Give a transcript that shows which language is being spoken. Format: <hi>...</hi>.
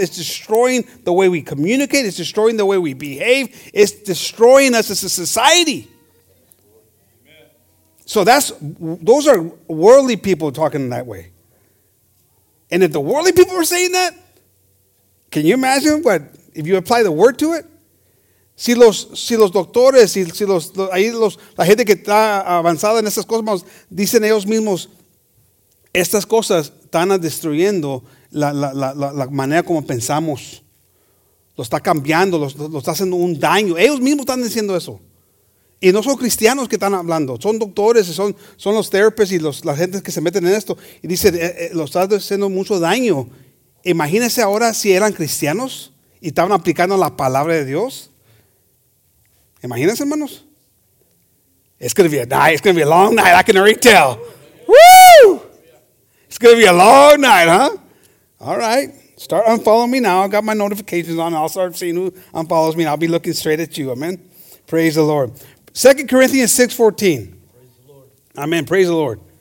<en>It's destroying the way we communicate. It's destroying the way we behave. It's destroying us as a society. So those are worldly people talking that way. And if the worldly people are saying that, can you imagine what, if you apply the word to it?</en> <es>Si los doctores, si la gente que está avanzada en estas cosas, dicen ellos mismos, estas cosas están destruyendo la manera como pensamos. Lo está cambiando, lo está haciendo un daño. Ellos mismos están diciendo eso. Y no son cristianos que están hablando, son doctores, son los therapists y las gentes que se meten en esto. Y dicen, lo está haciendo mucho daño. Imagínense ahora si eran cristianos y estaban aplicando la palabra de Dios. Imagínense, hermanos.</es> <en>It's going to be a night, it's going to be a long night, I can already tell. Woo! It's going to be a long night, huh? All right, start unfollowing me now. I got my notifications on, I'll start seeing who unfollows me and I'll be looking straight at you, amen? Praise the Lord. 2 Corinthians 6:14. Amen. Praise the Lord.</en>